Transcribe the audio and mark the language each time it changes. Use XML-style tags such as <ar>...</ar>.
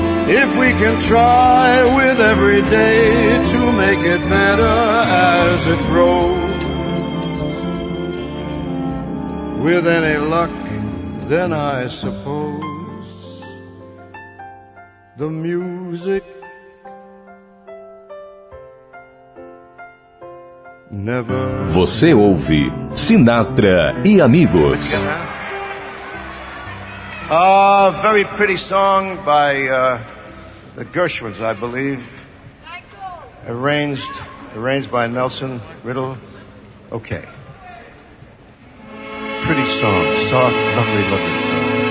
<en>If we can try with every day to make it better as it grows, with any luck, then I suppose the music never.</en> <pt>Você ouve Sinatra e Amigos.</pt> <en>A very pretty song by the Gershwins, I believe. Michael. Arranged by Nelson Riddle. Okay. Pretty song, soft, lovely looking song.</en>